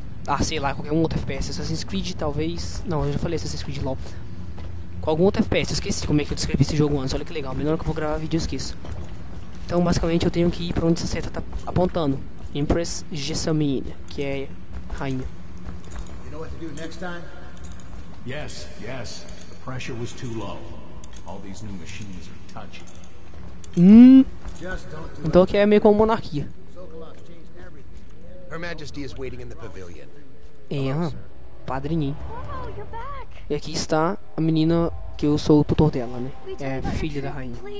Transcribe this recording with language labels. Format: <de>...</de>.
<pt>Ah, sei lá, qualquer um outro FPS. Assassin's Creed, talvez. Não, eu já falei Assassin's Creed LOL. Com algum outro FPS. Eu esqueci como é que eu descrevi esse jogo antes. Olha que legal. Melhor que eu vou gravar vídeo, eu esqueço. Então, basicamente, eu tenho que ir pra onde essa seta tá apontando. Empress Jessamine, que é rainha.</pt> <en>Next time? Yes. The pressure was too low. All these new machines are touching.</en> <pt>Então aqui é meio como monarquia.</pt> <en>Her Majesty is waiting in the pavilion.</en> <pt>Padrinho. E aqui está a menina que eu sou o tutor dela, né? É filha da rainha.</pt>